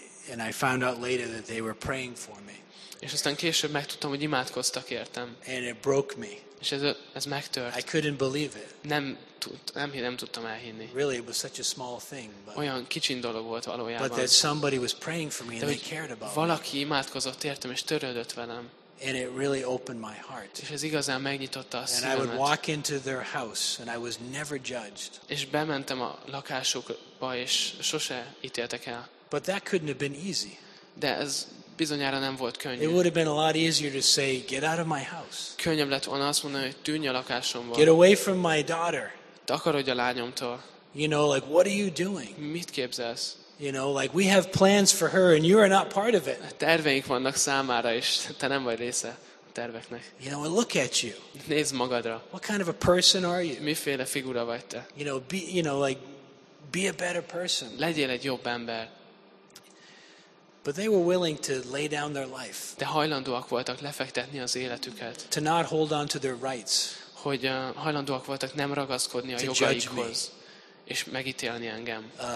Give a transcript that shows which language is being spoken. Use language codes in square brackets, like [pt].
[en] And I found out later that they were praying for me. [hu] És aztán később megtudtam, hogy imádkoztak értem. [en] And it broke me. [hu] És ez megtört. [en] I couldn't believe it. [hu] Nem tudtam elhinni. [en] Really, it was such a small thing. But [hu] olyan kicsin dolog volt valójában. [en] But that somebody was praying for me and they cared about me. [hu] Valaki imádkozott értem és törődött velem. [en] And it really opened my heart. [hu] És ez igazán megnyitotta a szívemet. [en] And I would walk into their house and I was never judged. [hu] És bementem a lakásukba és sose ítéltek el. [en] But that couldn't have been easy. [hu] De ez bizonyára nem volt könnyű. [en] It would have been a lot easier to say, get out of my house. [hu] Könnyebb lett volna azt mondani, hogy tűnj a lakásomból. [en] Get away from my daughter. [hu] Takarodj a lányomtól. [en] You know, like, what are you doing? [hu] Mit képzelsz? [en] You know, like, we have plans for her and you are not part of it. [hu] Terveink vannak számára, és te nem vagy része a terveknek. [en] You know, look at you. [hu] Nézd magadra. [en] What kind of a person are you? [hu] Miféle figura vagy te? [en] You know, be a better person. [hu] Legyél egy jobb ember. [en] But they were willing to lay down their life. [hu] De hajlandóak voltak lefektetni az életüket. [en] To not hold on to their rights. [hu] Hogy hajlandóak voltak nem ragaszkodni a jogaikhoz és megítélni engem.